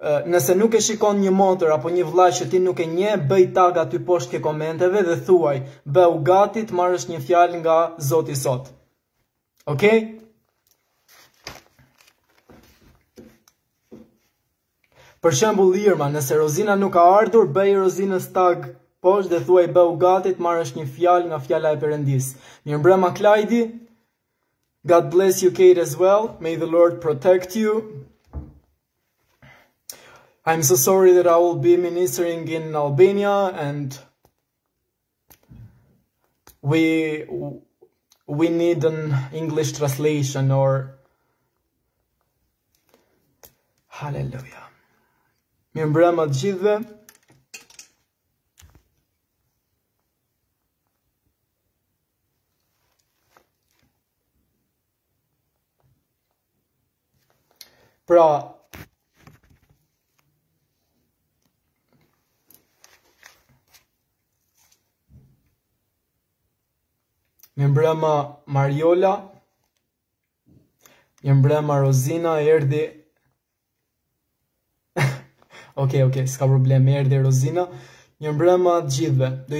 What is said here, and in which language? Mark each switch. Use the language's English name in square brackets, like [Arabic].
[Albanian] Nëse nuk e shikon një motër apo një vllaj që ti nuk e njeh, bëj tag aty poshtë ke komenteve dhe thuaj, bëu gati të marrësh një fjalë nga Zoti sot. Okej? Okay? Për shembull Irma, nëse Rozina nuk ka ardhur, bëj Rozinës tag poshtë dhe thuaj bëu gati të marrësh një fjalë nga fjala e Perëndis. Mirëmbrëma Klajdi. [English] God bless you Kate as well. May the Lord protect you. I'm so sorry that I will be ministering in Albania and we need an English translation or Hallelujah. [Albanian] Mirëmbrëma të gjithëve. Pra, një mbrëma Mariola, një mbrëma Rozina, erdi, okej, s'ka problem, erdi Rozina, një mbrëma gjithve,